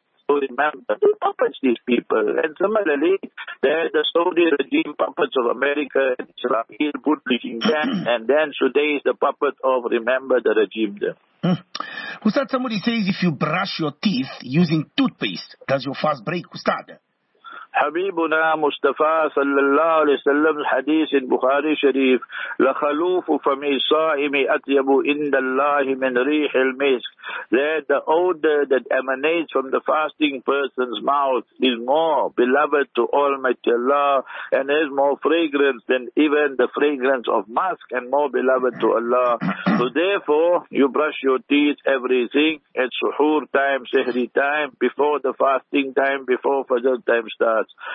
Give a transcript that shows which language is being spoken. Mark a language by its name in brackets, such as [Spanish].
[English] So remember, they puppets these people. And similarly, they're the Saudi regime puppets of America and Israel, bootlicking them. And then today is the puppet of remember the regime there. Ustad, somebody says if you brush your teeth using toothpaste, does your fast break, Ustad? [Arabic] حبيبنا مصطفى صلى الله عليه وسلم حديث البخاري شريف لخلوف فمي صائم أطيب عند الله من ريح المسك. [English] That the odor that emanates from the fasting person's mouth is more beloved to Almighty Allah and is more fragrant than even the fragrance of musk and more beloved to Allah. So therefore, you brush your teeth, everything, at suhoor time, sehri time, before the fasting time, before fajr time starts.